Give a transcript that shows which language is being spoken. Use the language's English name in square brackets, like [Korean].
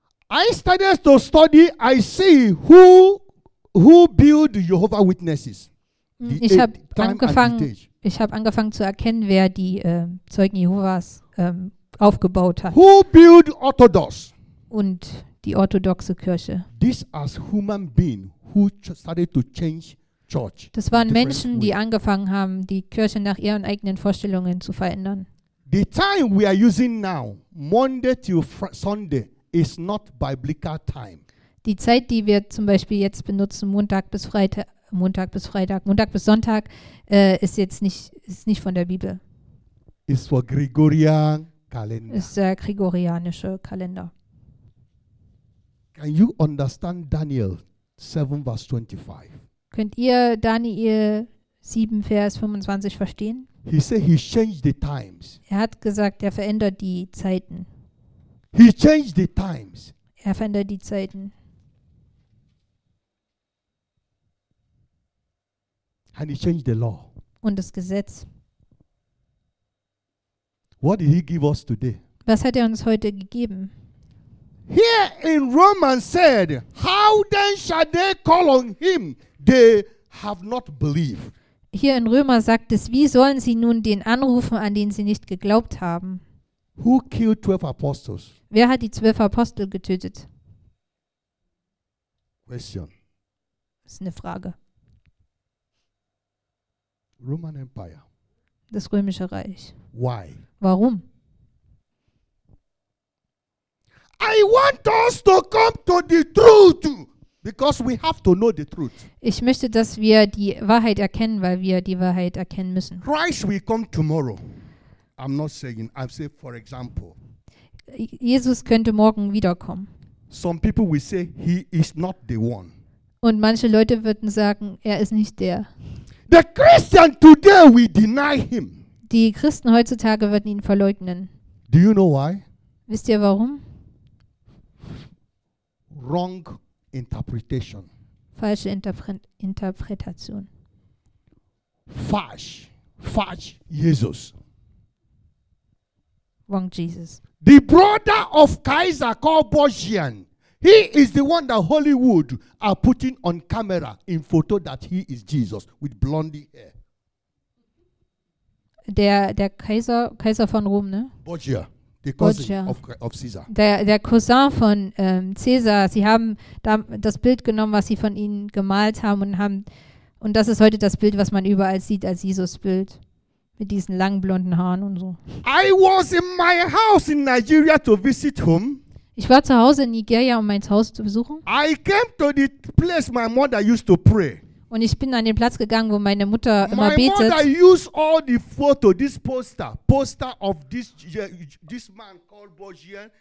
[English] I started to study, I see who build Jehovah Witnesses. [German] Ich habe angefangen zu erkennen, wer die Zeugen Jehovas aufgebaut hat. [English] Who build Orthodox? [German] Und die orthodoxe Kirche. [English] This as human being who started to change. [German] Das waren Menschen, die angefangen haben, die Kirche nach ihren eigenen Vorstellungen zu verändern. [English] The time we are using now, Monday to Sunday, is not biblical time. [German] Die Zeit, die wir zum Beispiel jetzt benutzen, Montag bis Sonntag, ist nicht von der Bibel. [English] It's for Gregorian calendar. [German] Ist der gregorianische Kalender. [English] Can you understand Daniel 7 verse 25? [German] Könnt ihr Daniel 7, Vers 25 verstehen? [English] He said he changed the times. [German] Er hat gesagt, er verändert die Zeiten. [English] He changed the times. [German] Er verändert die Zeiten. [English] And he changed the law. [German] Und das Gesetz. [English] What did he give us today? [German] Was hat er uns heute gegeben? [English] Here in Romans said, how then shall they call on him? They have not believed. [German] Hier in Römer sagt es, wie sollen sie nun den anrufen, an den sie nicht geglaubt haben? [English] Who killed 12 apostles? [German] Wer hat die 12 Apostel getötet? [English] Question. [German] Das ist eine Frage. [English] Roman Empire. [German] Das Römische Reich. [English] Why? [German] Warum? [English] I want us to come to the truth. Because we have to know the truth. [German] Ich möchte, dass wir die Wahrheit erkennen, weil wir die Wahrheit erkennen müssen. [English] Christ will come tomorrow. I'm not saying, I'm saying for example. [German] Jesus könnte morgen wiederkommen. [English] Some people will say he is not the one. [German] Und manche Leute würden sagen, er ist nicht der. [English] The Christian today will deny him. [German] Die Christen heutzutage würden ihn verleugnen. [English] Do you know why? [German] Wisst ihr warum? [English] Wrong interpretation. [German] Falsche Interpretation. Falsch Jesus. [English] Wrong Jesus. The brother of Kaiser called Borgian, he is the one that Hollywood are putting on camera in photo that he is Jesus with blonde hair. [German] Der Kaiser von Rom, ne? [English] Borgia. The cousin of Caesar. [German] Der Cousin von Caesar. Sie haben da das Bild genommen, was sie von ihnen gemalt haben und das ist heute das Bild, was man überall sieht als Jesus-Bild mit diesen langen blonden Haaren und so. [English] I was in my house in Nigeria to visit home. [German] Ich war zu Hause in Nigeria, um mein Zuhause zu besuchen. [English] I came to the place my mother used to pray. [German] Und ich bin an den Platz gegangen, wo meine Mutter immer [English] My [German] betet. [English] Mother used all the photo, this poster of this man called Bojian.